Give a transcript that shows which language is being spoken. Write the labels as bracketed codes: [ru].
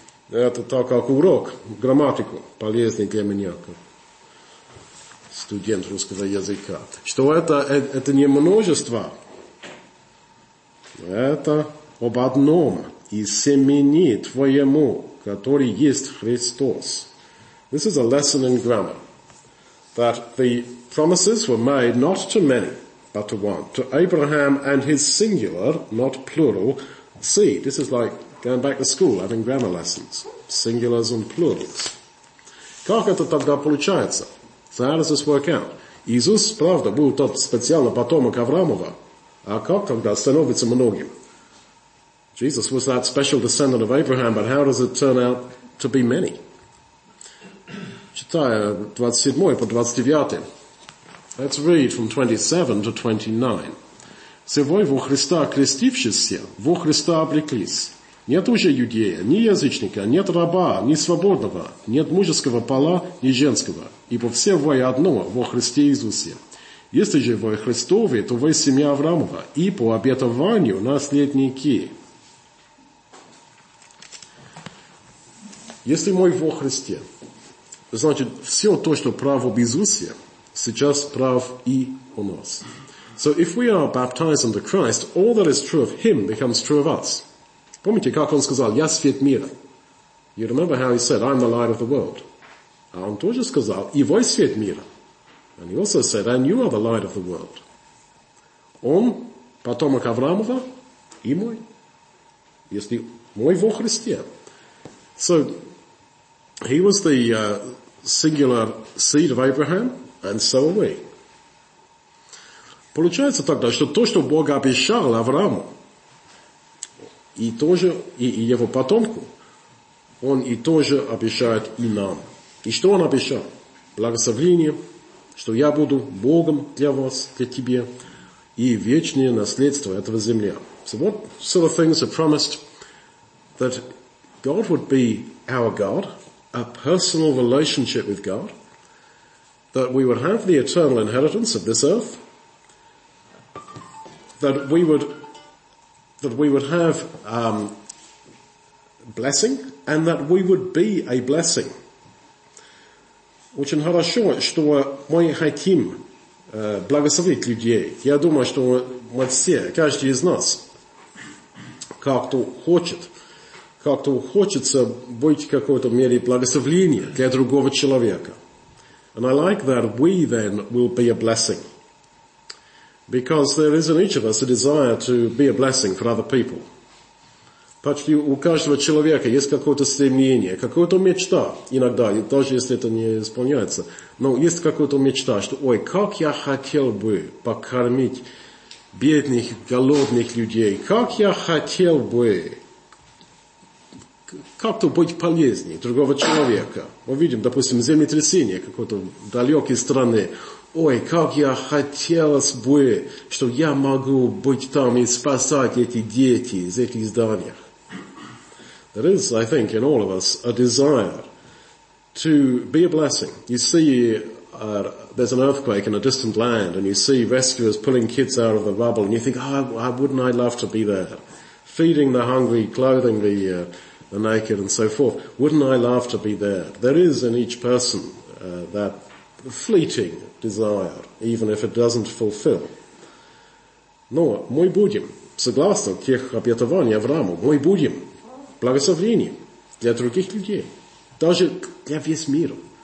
[ru] Это так как урок, грамматику, полезный для меня, как студент русского языка, что это не множество, это об одном и семени твоему, который есть Христос. [en] This is a lesson in grammar, that the promises were made not to many, but to one, to Abraham and his singular, not plural, seed. This is like going back to school, having grammar lessons, singulars and plurals. [ru] Как это тогда получается? [en] So how does this work out? [ru] Иисус, правда, был тот специальный потомок Авраамова, а как тогда становится многим? [en] Jesus was that special descendant of Abraham, but how does it turn out to be many? [ru] Читая 27 по 29. [en] Let's read from 27 to 29. [ru] «Все вы во Христа крестившиеся, во Христа обреклись. Нет уже иудея, ни язычника, нет раба, ни свободного, нет мужеского пола, ни женского, ибо все вы одно во Христе Иисусе. Если же вы Христовы, то вы семья Авраамова, и по обетованию наследники». Если мы во Христе, значит, все то, что прав об Иисусе, сейчас прав и у нас. [en] So if we are baptized into Christ, all that is true of him becomes true of us. [ru] Помните, как он сказал, «Я свет мира». [en] You remember how he said, «I'm the light of the world». [ru] А он тоже сказал, «И вы свет мира». [en] And he also said, «And you are the light of the world». [ru] Он потомок Авраамова и мой. Если мой во Христе. [en] So, he was the singular seed of Abraham, and so are we. [ru] Получается тогда, что то, что Бог обещал Аврааму, и тоже, и его потомку, он и тоже обещает и нам. И что он обещал? Благословение, что я буду Богом для вас, для тебя, и вечное наследство этого земля. [en] So what sort of things are promised? That God would be our God, a personal relationship with God, that we would have the eternal inheritance of this earth, that we would have blessing, and that we would be a blessing. [ru] Очень хорошо, что мы хотим благословить людей. Я думаю, что мы все, каждый из нас, как-то хочет как-то хочется быть в какой-то мере благословением для другого человека. [en] And I like that we then will be a blessing. Because there is in each of us a desire to be a blessing for other people. [ru] Почти у каждого человека есть какое-то стремление, какая-то мечта иногда, даже если это не исполняется. Но есть какая-то мечта, что ой, как я хотел бы покормить бедных, голодных людей. Как я хотел бы как-то быть полезнее другого человека. Мы видим, допустим, землетрясение какой-то далекой страны. Ой, как я хотелось бы, что я могу быть там и спасать эти дети из этих зданий. [en] There is, I think, in all of us, a desire to be a blessing. You see, there's an earthquake in a distant land, and you see rescuers pulling kids out of the rubble, and you think, oh, wouldn't I love to be there? Feeding the hungry, clothing the naked, and so forth. Wouldn't I love to be there? There is in each person that fleeting desire, even if it doesn't fulfill. [ru] Но мы будем, согласно тех обетований Аврааму, мы будем благословением для других людей, даже для весь мира.